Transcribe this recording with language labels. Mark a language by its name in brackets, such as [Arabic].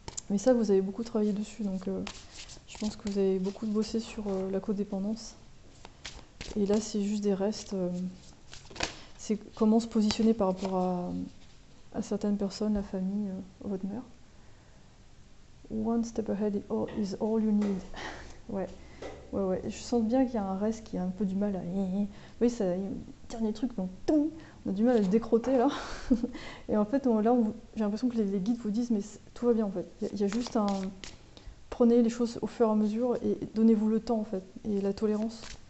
[French] Mais ça, vous avez beaucoup travaillé dessus, donc je pense que vous avez beaucoup bossé sur la codépendance. Et là, c'est juste des restes. C'est comment se positionner par rapport à certaines personnes, la famille, votre mère. [English] One step ahead is all you need. [French] Ouais. Je sens bien qu'il y a un reste qui a un peu du mal à. Oui, ça, dernier truc, donc on a du mal à le décrotter là. Et en fait, là, j'ai l'impression que les guides vous disent, mais tout va bien en fait. Il y a juste un. Prenez les choses au fur et à mesure et donnez-vous le temps en fait. Et la tolérance.